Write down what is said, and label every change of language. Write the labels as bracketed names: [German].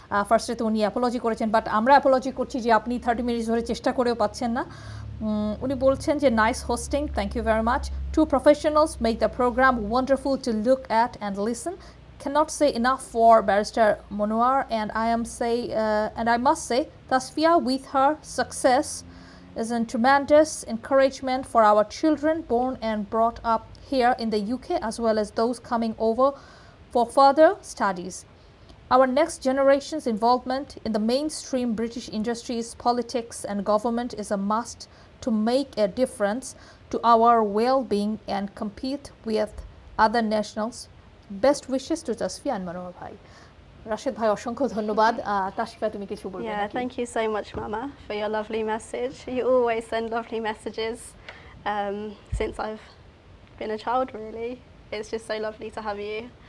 [Bangla] ফার্স্টে তো উনি অ্যাপোলজি করেছেন, বাট আমরা অ্যাপোলজি করছি যে আপনি 30 মিনিট ধরে চেষ্টা করেও পাচ্ছেন না। উনি বলছেন যে [English] Nice hosting, thank you very much, two professionals make the program wonderful to look at and listen, cannot say enough for Barrister Monwar, and I must say Tasfia, with her success is a tremendous encouragement for our children born and brought up here in the UK, as well as those coming over for further studies. Our next generation's involvement in the mainstream British industries, politics, and government is a must to make a difference to our well-being and compete with other nationals. Best wishes to Tasfia and Manwar Bhai. [Bangla] Rashid Bhai, অসংখ্য ধন্যবাদ. Tasfia, তুমি কিছু বলবে? [English] Yeah, thank you so much, Mama, for your lovely message. You always send lovely messages since I've been a child, really. It's just so lovely to have you.